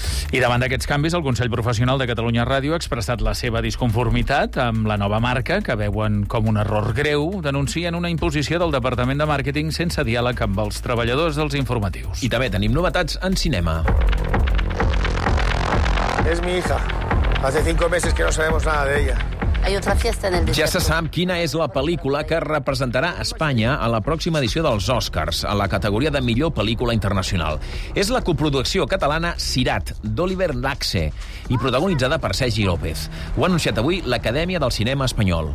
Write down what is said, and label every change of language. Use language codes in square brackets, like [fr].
[ca] I davant d'aquests canvis, el Consell Professional de Catalunya Ràdio ha expressat la seva disconformitat amb la nova marca, que veuen com un error greu, denuncien una imposició del Departament de Màrqueting sense diàleg amb els treballadors dels informatius. I també tenim novetats en cinema. [es] És mi hija. Hace 5 meses que no sabemos nada de ella. [ca] Ja se sap quina és la pel·lícula que representarà Espanya a la pròxima edició dels Oscars, a la categoria de millor pel·lícula internacional. És la coproducció catalana Cirat, d'Oliver Laxe, i protagonitzada per Sergi López. Ho ha anunciat avui l'Acadèmia del Cinema Espanyol.